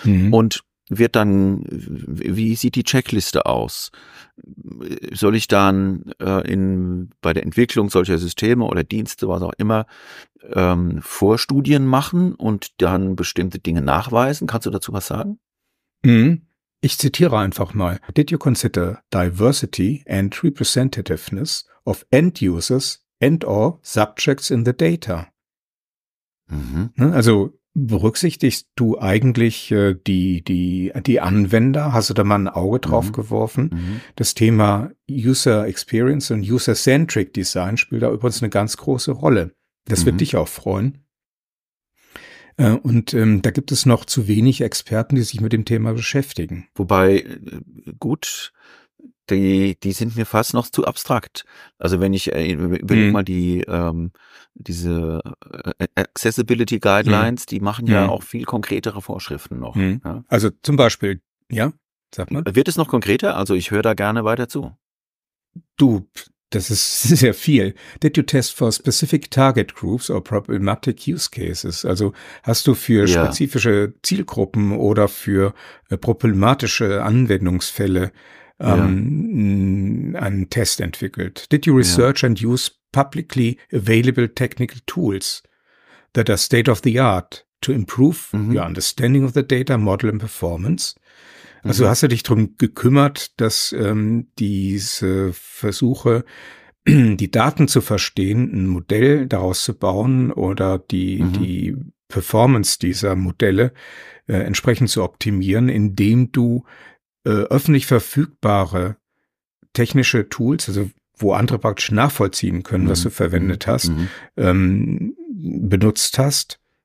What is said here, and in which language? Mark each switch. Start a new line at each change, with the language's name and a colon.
German: Und wird dann, wie sieht die Checkliste aus? Soll ich dann bei der Entwicklung solcher Systeme oder Dienste, was auch immer, Vorstudien machen und dann bestimmte Dinge nachweisen? Kannst du dazu was sagen? Ich zitiere einfach mal.
English: Did you consider diversity and representativeness of end users and or subjects in the data?
German: Also berücksichtigst du eigentlich die Anwender? Hast du da mal ein Auge drauf geworfen? Das Thema User Experience und User-Centric Design spielt da übrigens eine ganz große Rolle. Das wird dich auch freuen. Und da gibt es noch zu wenig Experten, die sich mit dem Thema beschäftigen. Wobei, gut, die sind mir fast noch zu abstrakt. Also wenn ich überlege mal die diese Accessibility Guidelines, die machen ja auch viel konkretere Vorschriften noch. Ja? Also zum Beispiel, ja, sag mal. Wird es noch konkreter? Also ich höre da gerne weiter zu. Du, das ist sehr viel.
English: Did you test for specific target groups or problematic use cases?
German: Also hast du für spezifische Zielgruppen oder für problematische Anwendungsfälle einen Test entwickelt?
English: Did you research and use publicly available technical tools that are state of the art to improve your understanding of the data, model and performance?
German: Also hast du dich darum gekümmert, dass diese Versuche, die Daten zu verstehen, ein Modell daraus zu bauen oder die Performance dieser Modelle entsprechend zu optimieren, indem du öffentlich verfügbare technische Tools, also wo andere praktisch nachvollziehen können, was du verwendet hast, benutzt hast?